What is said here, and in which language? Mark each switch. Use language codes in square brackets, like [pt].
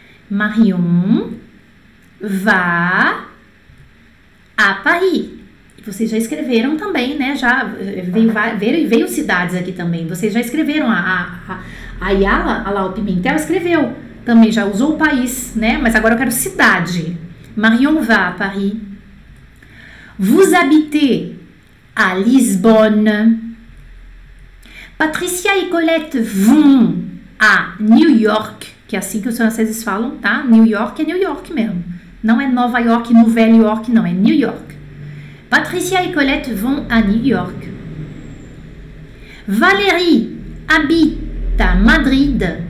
[fr] Marion va a Paris. [pt] Vocês já escreveram também, né? Já veio cidades aqui também. Vocês já escreveram. A Yala, a Lau Pimentel, escreveu também. Já usou o país, né? Mas agora eu quero cidade. [fr] Marion va à Paris. Vous habitez à Lisbonne. [pt] Patricia e Colette vão a New York, que é assim que os franceses falam, tá? New York é New York mesmo. Não é Nova York no Velho York, não, é New York. Patricia e Colette vão a New York. Valérie habita Madrid.